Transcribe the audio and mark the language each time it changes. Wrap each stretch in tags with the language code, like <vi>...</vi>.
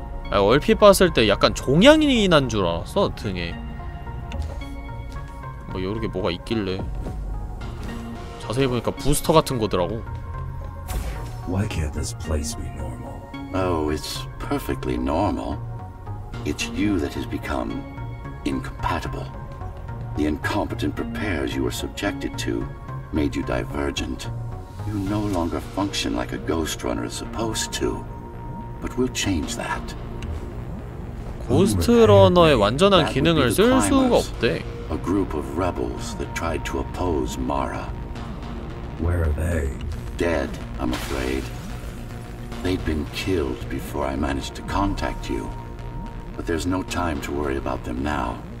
<ko>아 얼핏 봤을 때 약간 종양이 난 줄 알았어 등에. 뭐 요렇게 뭐가 있길래 자세히 보니까 부스터 같은 거더라고.</ko> <en>Why can't this place be normal? Oh, it's perfectly normal. It's you that has become incompatible. The incompetent prepares you were subjected to made you divergent. You no longer function like a ghost runner is supposed to. But we'll change that.</en> <ko>고스트 러너의 완전한 기능을 쓸 수가 없대.</ko> <en>A group of rebels that tried to oppose Mara. Where are they? Dead, I'm afraid. They'd been killed before I managed to contact you. But there's no time to worry about them now.</en>